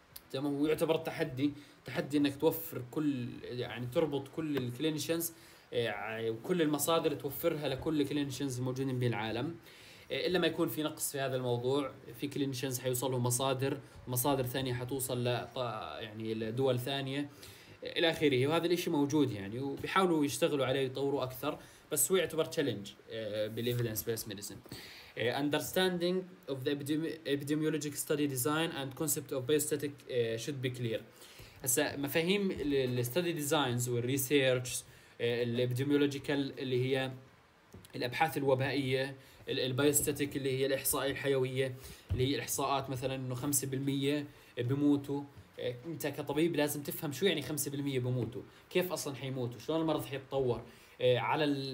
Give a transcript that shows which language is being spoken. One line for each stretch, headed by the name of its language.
Arabic: تمام، ويعتبر تحدي انك توفر كل يعني تربط كل الكلينيشنز وكل المصادر توفرها لكل الكلينيشنز الموجودين بالعالم، الا ما يكون في نقص في هذا الموضوع، في كلينيشنز حيوصلهم مصادر، مصادر ثانيه حتوصل ل يعني لدول ثانيه الى اخره، وهذا الشيء موجود يعني وبيحاولوا يشتغلوا عليه ويطوروا اكثر، بس هو يعتبر تشالنج بالايفيدنس بيس ميديسن.
English: understanding of the epidemiologic study design and concept of biostatic should be clear.
Arabic: هسه مفاهيم الستدي ديزاينز والريسيرش الابديميولوجيكال اللي هي الابحاث الوبائيه، البايوستاتيك اللي هي الاحصائيه الحيويه اللي هي الاحصاءات مثلا انه 5% بيموتوا، انت كطبيب لازم تفهم شو يعني 5% بيموتوا، كيف اصلا حيموتوا، شلون المرض حيتطور، على